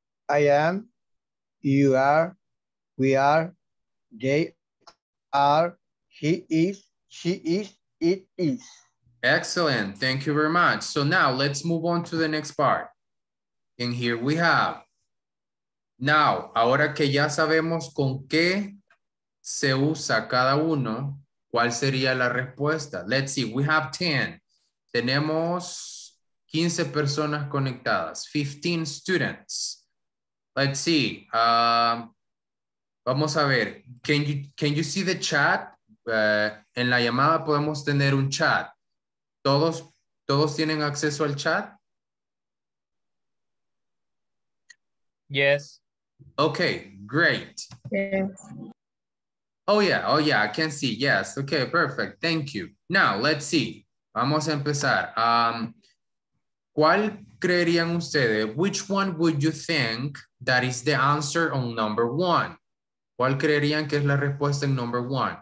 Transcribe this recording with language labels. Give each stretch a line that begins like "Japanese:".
English: I am, you are, we are, they are, he is, she is, it is. Excellent. Thank you very much. So now let's move on to the next part. And here we have.
Spanish: Now, ahora que ya sabemos con qué se usa cada uno, ¿cuál sería la respuesta?
English: Let's see. We have 10.
Spanish: Tenemos 15 personas conectadas.
English: 15 students. Let's see.
Spanish: Vamos a ver.
English: Can you see the chat?
Spanish: En la llamada podemos tener un chat. ¿Todos tienen acceso al chat?
English: Yes. Okay, great. Yes. Oh yeah, I can see. Yes. Okay, perfect. Thank you. Now, let's see.
Spanish: Vamos a empezar. ¿Cuál creerían ustedes?
English: Which one would you think that is the answer on number one?
Spanish: ¿Cuál creerían que es la respuesta en
English: number one?